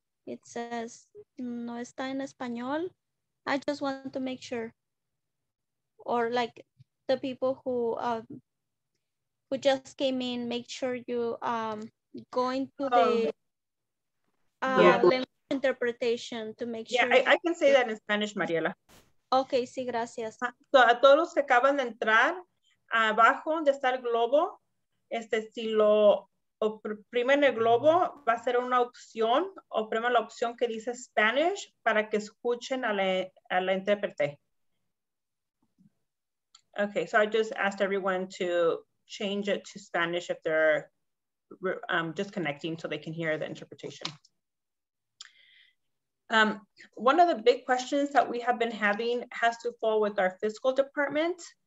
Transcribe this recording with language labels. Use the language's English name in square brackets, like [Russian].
[English] It says, [Spanish] no está en español. [English] I just want to make sure. Or like the people who just came in, make sure you go into the language interpretation to make sure. Yeah, I can say that in Spanish, Mariela. [Spanish] Okay, sí, gracias. So a todos los que acaban de entrar, abajo de estar el globo, si lo oprimen el globo, va a ser una opción, oprimen la opción que dice Spanish para que escuchen a la intérprete. [English] Okay, so I just asked everyone to change it to Spanish if they're disconnecting so they can hear the interpretation. One of the big questions that we have been having has to fall with our fiscal department.